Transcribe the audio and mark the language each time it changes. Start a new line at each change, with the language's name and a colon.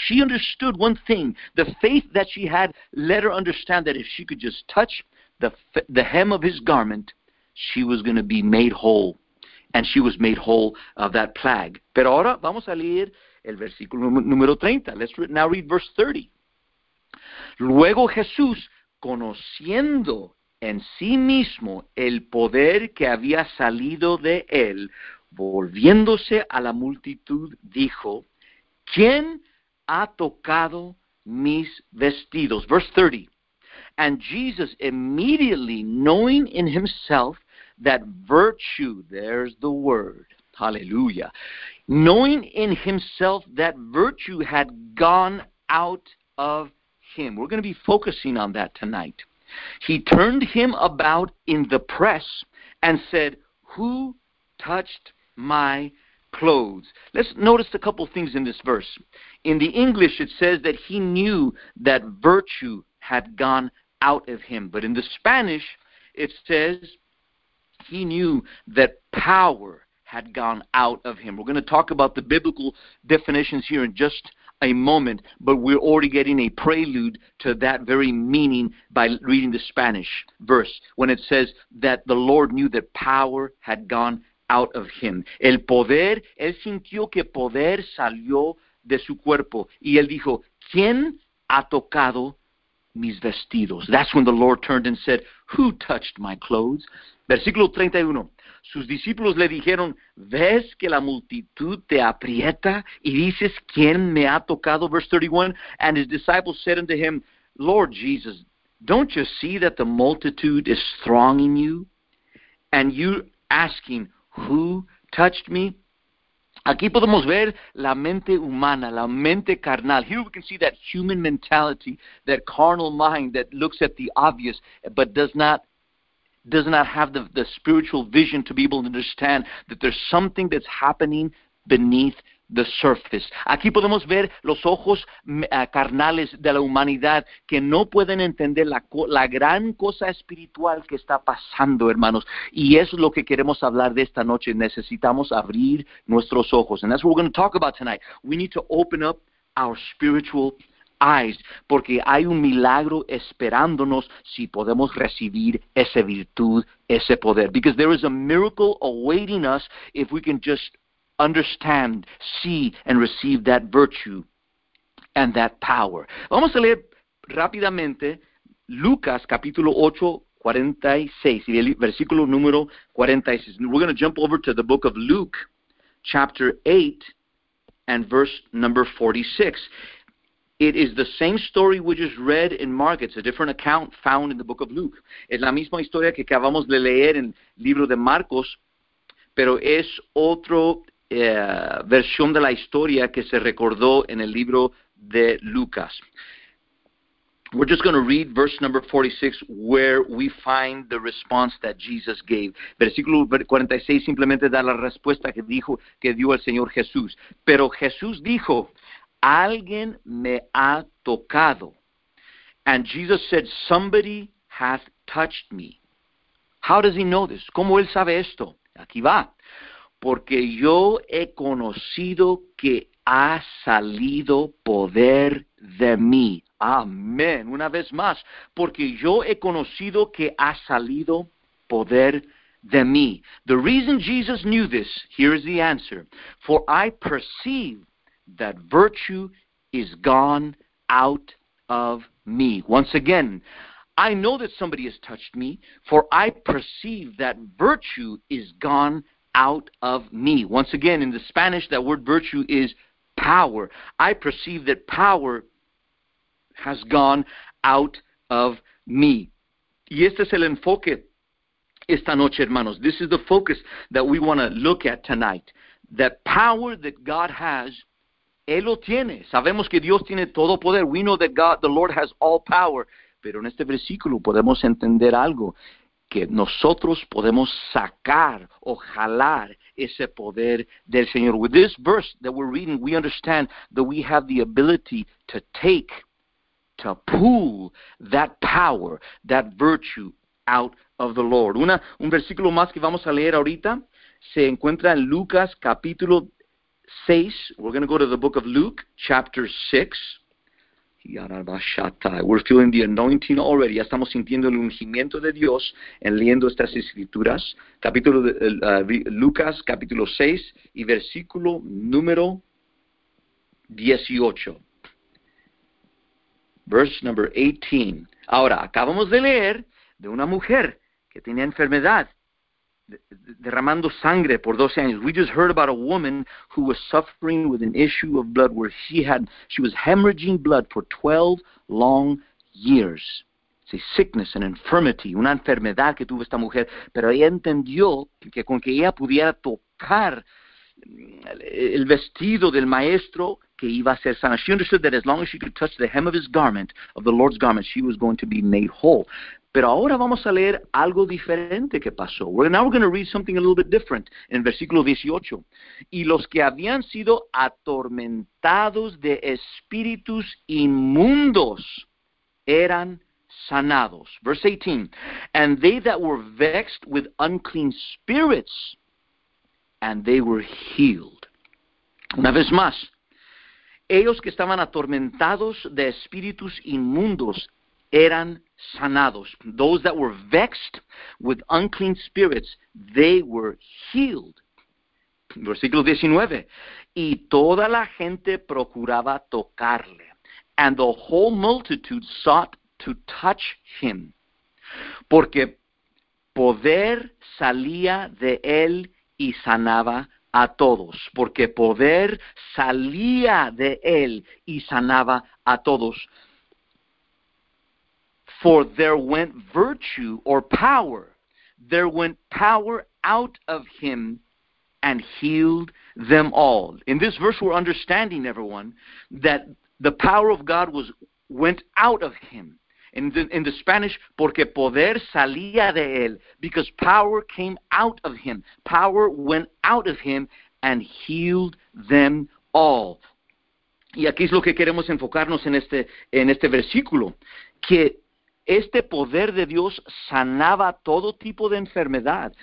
English: She understood one thing. The faith that she had let her understand that if she could just touch the hem of his garment, she was going to be made whole. And she was made whole of that plague.
Spanish: Pero ahora vamos a leer el versículo número 30.
English: Let's now read verse 30.
Spanish: Luego Jesús, conociendo en sí mismo el poder que había salido de él, volviéndose a la multitud, dijo, ¿quién ha tocado mis vestidos?
English: Verse 30. And Jesus, immediately knowing in himself that virtue, there's the word, hallelujah, knowing in himself that virtue had gone out of him. We're going to be focusing on that tonight. He turned him about in the press and said, who touched my clothes? Let's notice a couple things in this verse. In the English, it says that he knew that virtue had gone out of him. But in the Spanish, it says he knew that power had gone out of him. We're going to talk about the biblical definitions here in just a moment, but we're already getting a prelude to that very meaning by reading the Spanish verse when it says that the Lord knew that power had gone out of him.
Spanish: El poder, él sintió que poder salió de su cuerpo. Y él dijo, ¿quién ha tocado mis vestidos?
English: That's when the Lord turned and said, who touched my clothes?
Spanish: Versículo 31. Sus discípulos le dijeron, ¿ves que la multitud te aprieta? Y dices, ¿quién me ha tocado?
English: Verse 31. And his disciples said unto him, Lord Jesus, Don't you see that the multitude is thronging you? And you're asking, who touched me?
Spanish: Aquí podemos ver la mente humana, la mente carnal.
English: Here we can see that human mentality, that carnal mind that looks at the obvious but does not have the spiritual vision to be able to understand that there's something that's happening beneath the surface.
Spanish: Aquí podemos ver los ojos carnales de la humanidad que no pueden entender la gran cosa espiritual que está pasando, hermanos. Y es lo que queremos hablar de esta noche. Necesitamos abrir nuestros ojos.
English: And that's what we're going to talk about tonight. We need to open up our spiritual eyes,
Spanish: porque hay un milagro esperándonos si podemos recibir esa virtud, ese poder.
English: Because there is a miracle awaiting us if we can just understand, see, and receive that virtue and that power.
Spanish: Vamos a leer rápidamente Lucas capítulo 8, 46, versículo número 46.
English: We're going to jump over to the book of Luke chapter 8 and verse number 46. It is the same story we just read in Mark. It's a different account found in the book of Luke.
Spanish: Es la misma historia que acabamos de leer en el libro de Marcos, pero es otro versión de la historia que se recordó en el libro de Lucas.
English: We're just going to read verse number 46 where we find the response that Jesus gave.
Spanish: Versículo 46 simplemente da la respuesta que dio el Señor Jesús. Pero Jesús dijo, alguien me ha tocado.
English: And Jesus said, somebody has touched me. How does he know this?
Spanish: ¿Cómo él sabe esto? Aquí va. Porque yo he conocido que ha salido poder de mí. Amén. Una vez más. Porque yo he conocido que ha salido poder de mí.
English: The reason Jesus knew this, here is the answer. For I perceive that virtue is gone out of me. Once again, I know that somebody has touched me, for I perceive that virtue is gone out of me. Once again, in the Spanish, that word virtue is power. I perceive that power has gone out of me.
Spanish: Y este es el enfoque esta noche, hermanos.
English: This is the focus that we want to look at tonight. That power that God has,
Spanish: Él lo tiene. Sabemos que Dios tiene todo poder.
English: We know that God, the Lord, has all power.
Spanish: Pero en este versículo podemos entender algo. Que nosotros podemos sacar o jalar ese poder del Señor.
English: With this verse that we're reading, we understand that we have the ability to take, to pull that power, that virtue out of the Lord.
Spanish: Un versículo más que vamos a leer ahorita se encuentra en Lucas capítulo 6.
English: We're going to go to the book of Luke chapter 6. We're feeling the anointing already.
Spanish: Ya estamos sintiendo el ungimiento de Dios en leyendo estas escrituras. Capítulo de, Lucas, capítulo 6 y versículo número 18.
English: Verse number 18.
Spanish: Ahora, acabamos de leer de una mujer que tenía enfermedad, derramando sangre por 12 años.
English: We just heard about a woman who was suffering with an issue of blood where she was hemorrhaging blood for 12 long years. It's a sickness, an infirmity,
Spanish: una enfermedad que tuvo esta mujer, pero ella entendió que con que ella pudiera tocar el vestido del maestro que iba a ser sana.
English: She understood that as long as she could touch the hem of his garment, of the Lord's garment, she was going to be made whole.
Spanish: Pero ahora vamos a leer algo diferente que pasó.
English: Now we're going to read something a little bit different in versículo 18.
Spanish: Y los que habían sido atormentados de espíritus inmundos eran sanados.
English: Verse 18. And they that were vexed with unclean spirits, and they were healed.
Spanish: Una vez más. Ellos que estaban atormentados de espíritus inmundos eran sanados.
English: Those that were vexed with unclean spirits, they were healed.
Spanish: Versículo 19. Y toda la gente procuraba tocarle.
English: And the whole multitude sought to touch him.
Spanish: Porque poder salía de él y sanaba a todos. Porque poder salía de él y sanaba a todos.
English: For there went virtue or power. There went power out of him and healed them all. In this verse, we're understanding, everyone, that the power of God went out of him. In the Spanish,
Spanish: porque poder salía de él,
English: because power came out of him. Power went out of him and healed them all.
Spanish: Y aquí es lo que queremos enfocarnos en este versículo, que este poder de Dios sanaba todo tipo de enfermedad.